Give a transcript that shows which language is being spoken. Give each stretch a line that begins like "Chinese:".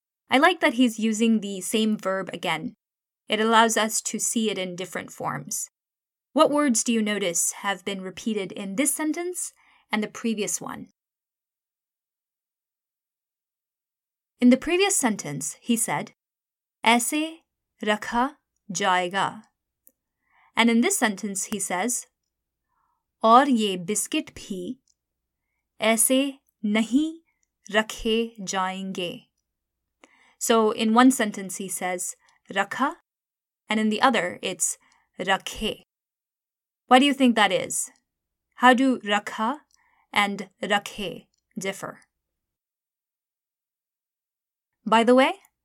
English: I like that he's using the same verb again. It allows us to see it in different forms. What words do you notice have been repeated in this sentence and the previous one? In the previous sentence, he said,
Hindi: "Aise rakha jayega."
English: And in this sentence, he says,
Hindi: "और ये biscuit भी ऐसे नहीं रखे जाएंगे।"
English: So in one sentence, he says, "Rakha," and in the other, it's "rakhe." Why do you think that is? How do "rakha" and "rakhe" differ? By the way,